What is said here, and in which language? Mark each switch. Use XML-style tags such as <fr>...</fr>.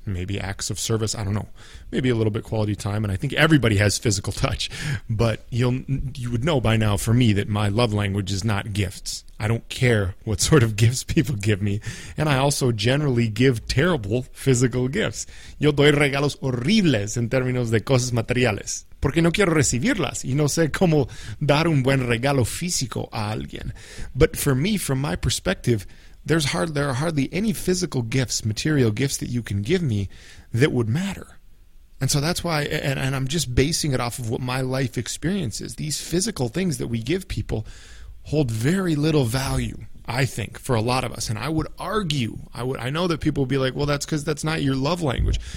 <en>Maybe acts of service. I don't know. Maybe a little bit quality time. And I think everybody has physical touch. But you would know by now for me that my love language is not gifts. I don't care what sort of gifts people give me. And I also generally give terrible physical gifts.</en> <es>Yo doy regalos horribles en términos de cosas materiales. Porque no quiero recibirlas y no sé cómo dar un buen regalo físico a alguien.</es> <en>But for me, from my perspective, There are hardly any physical gifts, material gifts that you can give me that would matter. And so that's why, and I'm just basing it off of what my life experience is. These physical things that we give people hold very little value, I think, for a lot of us. And I would argue, I know that people would be like, well, that's because that's not your love language.</en>